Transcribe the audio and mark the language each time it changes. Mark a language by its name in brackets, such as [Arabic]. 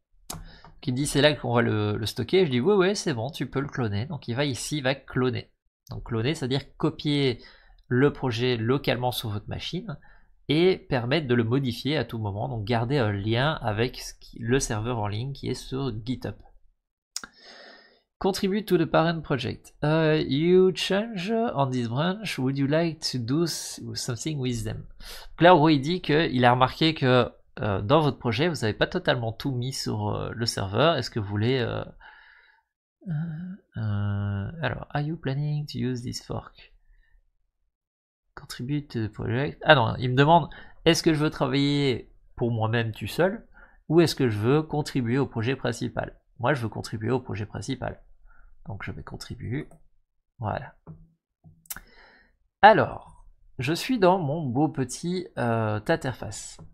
[French] Donc, il dit, c'est là qu'on va le stocker. Je dis, oui, ouais, c'est bon, tu peux le cloner. Donc, il va ici, il va cloner. Donc, cloner, c'est-à-dire copier le projet localement sur votre machine et permettre de le modifier à tout moment, donc garder un lien avec le serveur en ligne qui est sur GitHub. [English] Contribute to the parent project. You change on this branch, would you like to do something with them? [French] Là, en gros, il dit qu'il a remarqué que dans votre projet, vous n'avez pas totalement tout mis sur le serveur. Est-ce que vous voulez... [English] alors, are you planning to use this fork? Contribute to the project. [French] Ah non, il me demande est-ce que je veux travailler pour moi-même tout seul ou est-ce que je veux contribuer au projet principal? Moi, je veux contribuer au projet principal. Donc, je vais contribuer. Voilà. Alors, je suis dans mon beau petit interface.